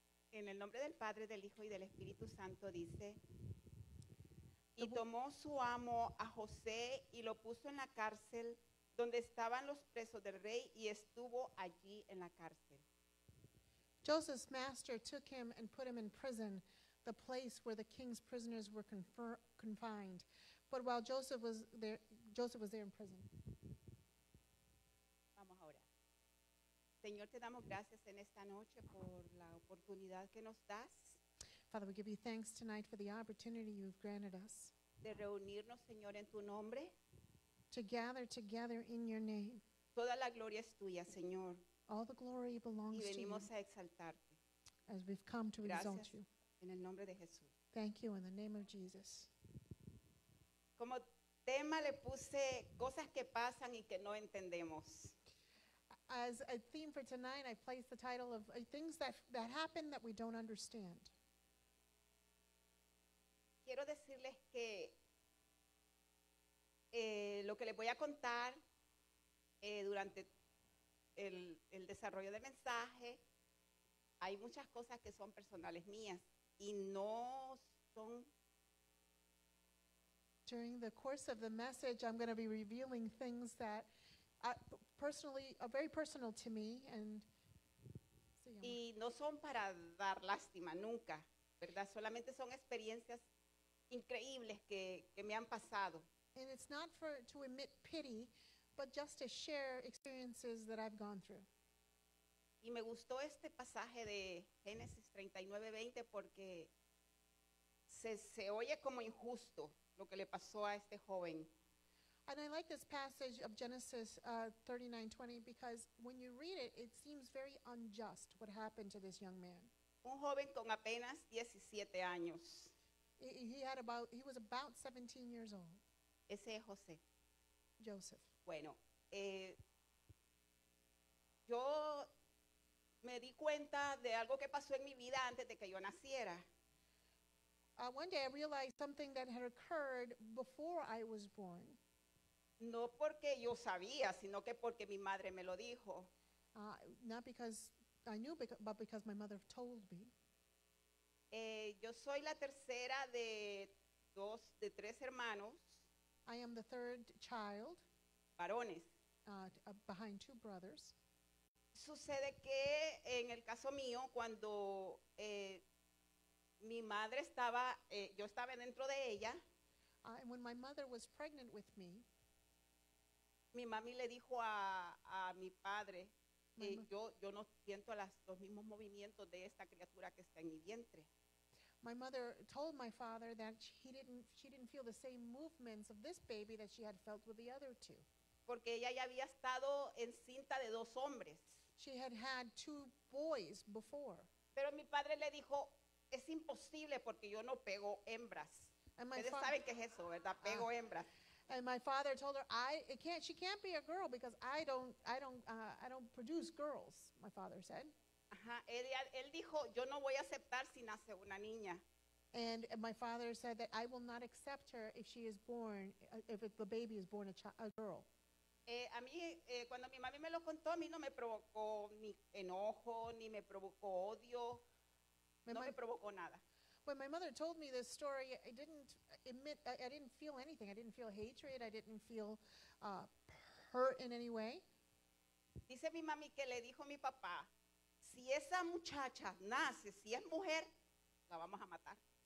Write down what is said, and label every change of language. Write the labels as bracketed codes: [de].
[es] En el nombre del Padre, del Hijo y del Espíritu Santo dice, y tomó su amo a José y lo puso en la cárcel donde estaban los presos del rey y estuvo allí en la cárcel. [en] Joseph's master took him and put him in prison, the place where the king's prisoners were confined. But while Joseph was there in prison. [es] Vamos ahora. Señor, te damos gracias en esta noche por la oportunidad que nos das. [en] Father, we give you thanks tonight for the opportunity you've granted us. [es] De reunirnos, Señor, en tu nombre. [en] To gather together in your name. [es] Toda la gloria es tuya, Señor. [en] All the glory belongs to you. [es] Y venimos a exaltarte. [en] As we've come to [es] gracias [en] exalt you. [es] En el nombre de Jesús. [en] Thank you in the name of Jesus. [es] Como tema le puse cosas que pasan y que no entendemos. [en] As a theme for tonight, I placed the title of things that happen that we don't understand. [es] Quiero decirles que lo que les voy a contar durante el desarrollo del mensaje, hay muchas cosas que son personales mías y no son. [en] During the course of the message, I'm going to be revealing things that personally are very personal to me. And [es] y no son para dar lástima nunca, ¿verdad? Solamente son experiencias increíbles que me han pasado. [en] And it's not to emit pity, but just to share experiences that I've gone through. [es] Y me gustó este pasaje de Génesis 39:20 porque se oye como injusto lo que le pasó a este joven. [en] And I like this passage of Genesis 39:20 because when you read it, it seems very unjust what happened to this young man. [es] Un joven con apenas 17 años. [en] He was about 17 years old. [es] Ese es José. [en] Joseph. [es] Bueno, yo me di cuenta de algo que pasó en mi vida antes de que yo naciera. [en] One day I realized something that had occurred before I was born. [es] No porque yo sabía, sino que porque mi madre me lo dijo. [en] Not because I knew, but because my mother told me. [es] Yo soy la tercera de tres hermanos. [en] I am the third child. [es] Varones. [en] Behind two brothers. [es] Sucede que en el caso mío, cuando mi madre estaba, yo estaba dentro de ella. [en] And when my mother was pregnant with me, [es] mi mami le dijo a mi padre, yo no siento los mismos movimientos de esta criatura que está en mi vientre. [en] My mother told my father that she didn't feel the same movements of this baby that she had felt with the other two. [es] Porque ella ya había estado encinta de dos hombres. [en] She had had two boys before. [es] Pero mi padre le dijo, es imposible porque yo no pego hembras. Ustedes saben qué es eso, ¿verdad? Pego hembras. [en] And my father told her, she can't be a girl because I don't produce girls, my father said. [es] Ajá, él dijo, yo no voy a aceptar si nace una niña. [en] And my father said that I will not accept her if she is born, if the baby is born a girl. [es] A mí, cuando mi mami me lo contó, a mí no me provocó ni enojo, ni me provocó odio, me provocó nada. [en] When my mother told me this story, I didn't feel anything. I didn't feel hatred. I didn't feel hurt in any way. [es] Dice mi mami que le dijo mi papá, si esa muchacha nace, si es mujer, la vamos a matar.